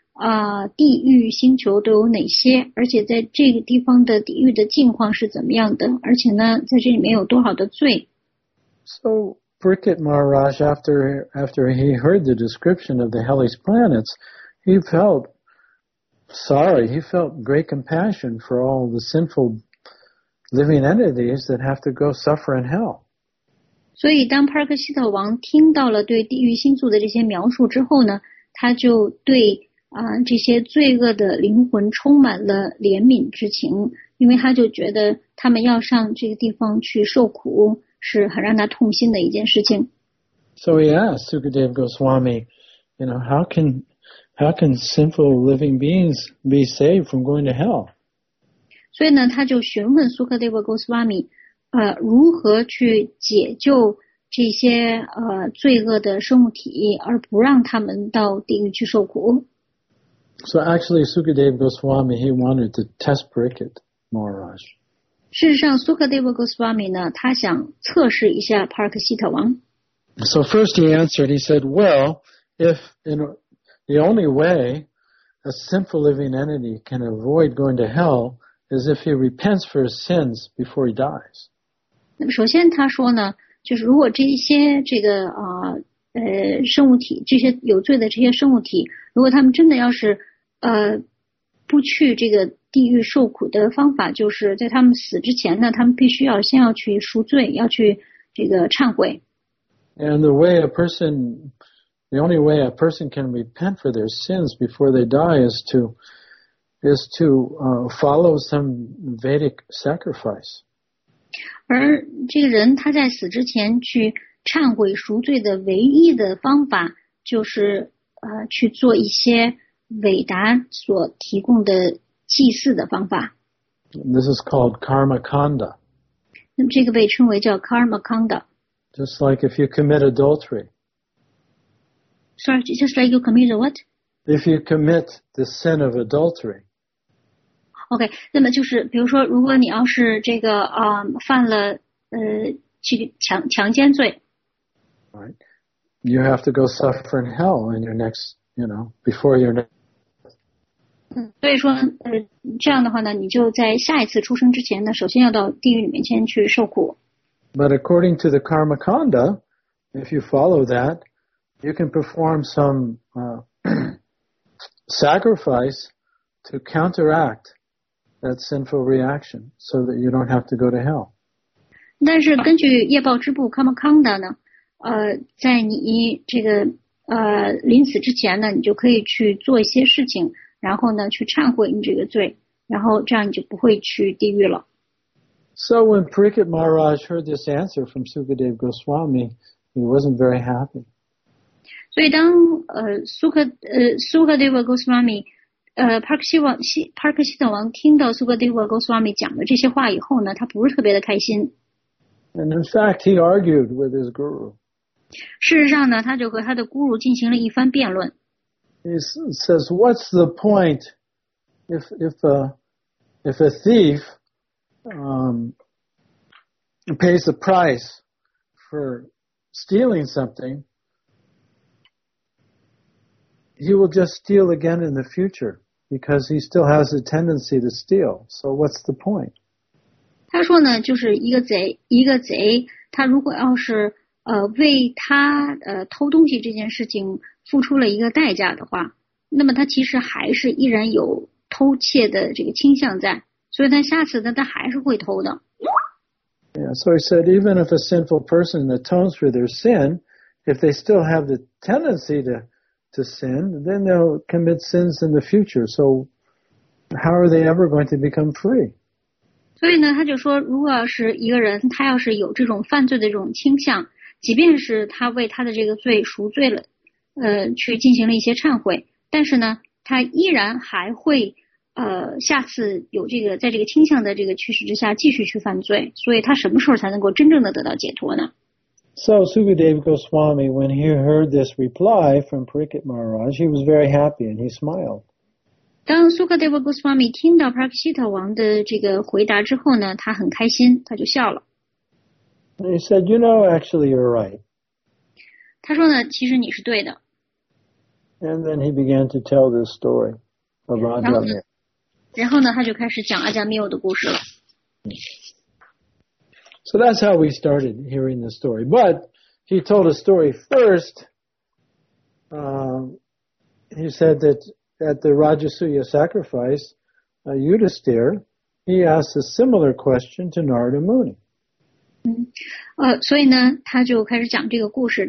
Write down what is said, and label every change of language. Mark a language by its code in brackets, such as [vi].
[zh] 啊、地狱星球都有哪些，而且在这个地方的地狱的境况是怎么样的，而且呢在这里面有多少的罪。 [en] So, Bricket Maharaj, after he heard the description of the hellish planets, he felt sorry, he felt great compassion for all the sinful living entities that have to go suffer in hell. [zh] 所以当帕克希特王听到了对地狱星宿的这些描述之后呢，他就对啊、这些罪恶的灵魂充满了怜悯之情，因为他就觉得他们要上这个地方去受苦是很让他痛心的一件事情。 [en] So he asked Sukadeva Goswami, you know, how can sinful living beings be saved from going to hell? [zh] 所以呢，他就询问 Sukadeva Goswami, 如何去解救这些罪恶的生物体，而不让他们到地狱去受苦。 [en] So actually, Sukadeva Goswami, he wanted to test Bricket Maharaj. [zh] 事实上 ,Sukadeva Goswami 呢他想测试一下帕克希特王。 [en] So first he answered, he said, well, if in the only way a sinful living entity can avoid going to hell is if he repents for his sins before he dies. [zh] 那么首先他说呢，就是如果这些这个生物体，这些有罪的这些生物体，如果他们真的要是不去这个地狱受苦的方法，就是在他们死之前呢，他们必须要先要去赎罪，要去这个忏悔。 [en] And the only way a person can repent for their sins before they die is to follow some Vedic sacrifice. [zh] 而这个人他在死之前去忏悔赎罪的唯一的方法就是去做一些韦达所提供的祭祀的方法。 [en] This is called karma kanda. [zh] 那么这个被称为叫 karma kanda. [en] Just like if you commit adultery. Sorry, just like you commit what? If you commit the sin of adultery. [zh] OK, 那么就是比如说如果你要是这个犯了去强奸罪。 [en] Right. You have to go suffer in hell in your next, you know, before your next. [zh] 所以说这样的话呢，你就在下一次出生之前呢，首先要到地狱里面先去受苦。 [en] But according to the karma kanda, if you follow that, you can perform some sacrifice to counteract that sinful reaction so that you don't have to go to hell. [zh] 但是根据业报支部 karma kanda 呢，在你这个临死之前呢，你就可以去做一些事情，然后呢去忏悔你这个罪，然后这样你就不会去地狱了。 [en] So when Bricket Maharaj heard this answer from Sukadeva Goswami, he wasn't very happy. [zh] 所以当Sukadeva Goswami, Parkshita王听到 Sukadeva Goswami 讲的这些话以后呢，他不是特别的开心。 [en] And in fact, he argued with his guru. [zh] 事实上呢，他就和他的guru进行了一番辩论。 [en] He says, "What's the point if a thief pays the price for stealing something? He will just steal again in the future because he still has a tendency to steal. So what's the point?" [zh] 他说呢，就是一个贼，他如果要是为他偷东西这件事情付出了一个代价的话，那么他其实还是依然有偷窃的这个倾向在，所以他下次呢他还是会偷的。 [en] Yeah, so he said, even if a sinful person atones for their sin, if they still have the tendency to sin, then they'll commit sins in the future. So how are they ever going to become free? [zh] 所以呢他就说，如果是一个人他要是有这种犯罪的这种倾向，即便是他为他的这个罪赎罪了去进行了一些忏悔，但是呢他依然还会下次有这个在这个倾向的这个趋势之下继续去犯罪，所以他什么时候才能够真正的得到解脱呢？ [en] So Sukadeva Goswami, when he heard this reply from Bricket Maharaj, he was very happy and he smiled. [zh] 当 Sukadeva Goswami 听到 Prakshita 王的这个回答之后呢，他很开心，他就笑了。 [en] He said, "You know, actually, you're right." [zh] 他说呢，其实你是对的。 [en] And then he began to tell this story of Ajamil. [zh] 然后呢他就开始讲阿加缪的故事了。 [en] So that's how we started hearing the story. But he told a story first. He said that at the Rajasuya sacrifice, Yudhisthira, he asked a similar question to Narada Muni. [zh] 所以呢他就开始讲这个故事。